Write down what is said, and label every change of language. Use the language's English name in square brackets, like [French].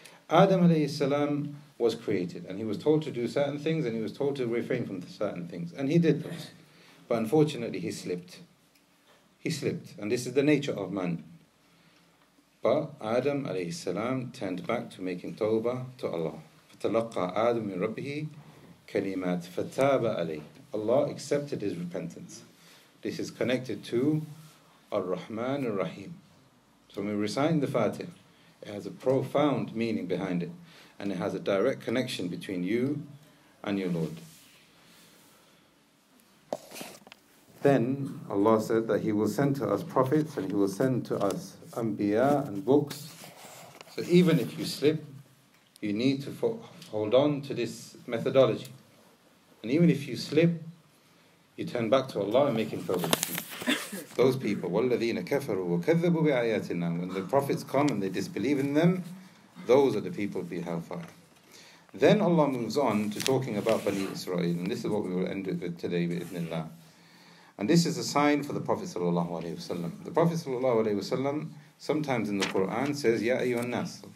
[English] Adam alayhi salam was created, and he was told to do certain things, and he was told to refrain from certain things, and he did those. But unfortunately, he slipped. He slipped, and this is the nature of man. But Adam alayhi salam turned back to making tawbah to Allah. [Arabic] فَتَلَقَّى Adam مِنْ رَبِّهِ كَلِمَاتْ فَتَابَ عَلَيْهِ. [English] Allah accepted his repentance. This is connected to Ar-Rahman Ar-Rahim. So when we recite the Fatiha, it has a profound meaning behind it, and it has a direct connection between you and your Lord. Then Allah said that He will send to us prophets, and He will send to us anbiya and books. So even if you slip, you need to hold on to this methodology. And even if you slip, you turn back to Allah and make Him tawbah. Those people, [Arabic] وَالَّذِينَ كَفَرُوا وَكَذَّبُوا بِعَيَاتِنَا. [English] When the prophets come and they disbelieve in them, those are the people of the hellfire. Then Allah moves on to talking about Bani Israel. And this is what we will end with today, [Arabic] بإذن الله. [English] And this is a sign for the Prophet sallallahu alayhi wa sallam. The Prophet sallallahu alayhi wa sallam, sometimes in the Qur'an, says, [Arabic] يَا أَيُّهَا النَّاسُ.